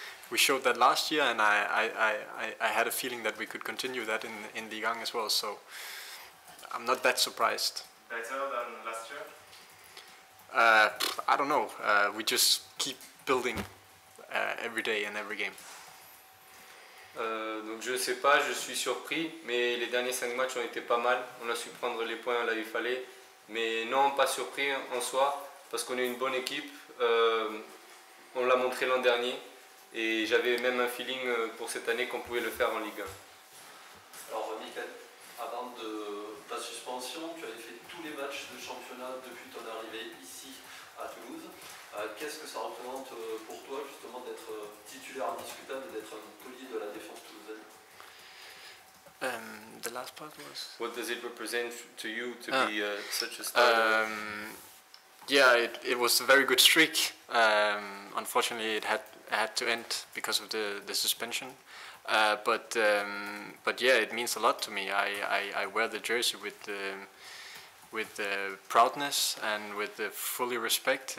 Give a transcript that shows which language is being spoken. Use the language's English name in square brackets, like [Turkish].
[English] We showed that last year, and I had a feeling that we could continue that in the Gang as well, so I'm not that surprised. Better than last year? I don't know. We just keep building every day and every game. [French] Donc je sais pas, je suis surpris, mais les derniers 5 matchs ont été pas mal. On a su prendre les points là où il fallait. Mais non, pas surpris en soi, parce qu'on est une bonne équipe. On l'a montré l'an dernier. Et j'avais même un feeling pour cette année qu'on pouvait le faire en Ligue 1. Alors Mikkel, avant de ta suspension, tu avais fait tous les matchs de championnat depuis ton arrivée ici à Toulouse. Qu'est-ce que ça représente pour toi justement d'être titulaire indiscutable et d'être un taulier de la défense toulousaine? [English] The last part was... What does it represent to you to be such a star? Yeah, it was a very good streak. Unfortunately, it had to end because of the suspension. But yeah, it means a lot to me. I wear the jersey with proudness and with the fully respect.